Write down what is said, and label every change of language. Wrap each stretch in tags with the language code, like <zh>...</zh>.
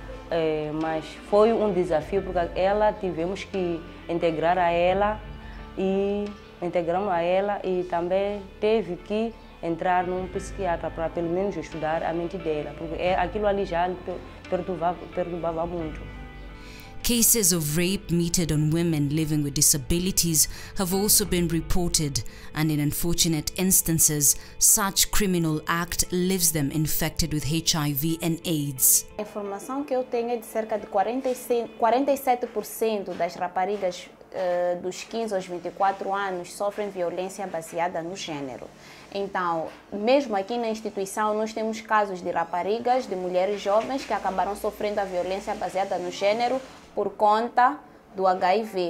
<pt>É, mas foi um desafio porque ela tivemos que integrar a ela e integramos a ela e também teve que entrar num psiquiatra para pelo menos estudar a mente dela porque aquilo ali já perturbava muito.</pt> <en>Cases of rape meted on women living with disabilities have also been reported, and in unfortunate instances, such criminal act leaves them infected with HIV and AIDS.</en> <pt>A informação que eu tenho é de cerca de 47% das raparigas dos 15 aos 24 anos sofrem violência baseada no gênero. Então, mesmo aqui na instituição, nós temos casos de raparigas, de mulheres jovens que acabaram sofrendo a violência baseada no gênero por conta do HIV.</pt>